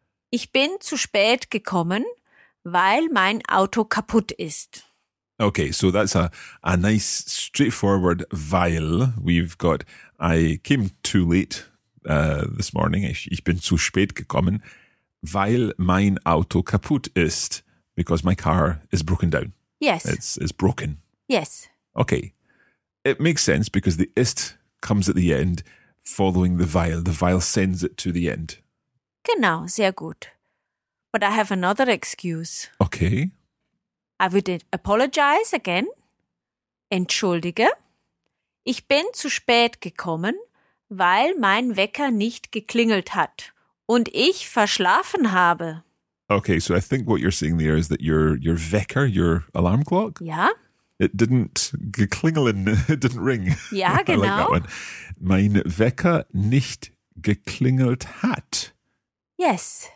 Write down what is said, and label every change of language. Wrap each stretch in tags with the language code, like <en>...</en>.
<de>Ich bin zu spät gekommen, weil mein Auto kaputt ist.</de> <en>Okay, so that's a nice straightforward weil. We've got I came too late this morning.</en> <de>Ich bin zu spät gekommen. Weil mein Auto kaputt ist,</de> <en>because my car is broken down. Yes. It's broken. Yes. Okay. It makes sense because the ist comes at the end following the weil. The weil sends it to the end.</en> <de>Genau, sehr gut.</de> <en>But I have another excuse. Okay. I would apologize again.</en> <de>Entschuldige. Ich bin zu spät gekommen, weil mein Wecker nicht geklingelt hat. Und ich verschlafen habe.</de> <en>Okay, so I think what you're saying there is that your Wecker, your alarm clock.</en> <de>Ja.</de> <en>It didn't geklingeln, it didn't ring.</en> <de>Ja, genau.</de> <en>I like that one.</en> <de>Mein Wecker nicht geklingelt hat.</de> <en>Yes.</en>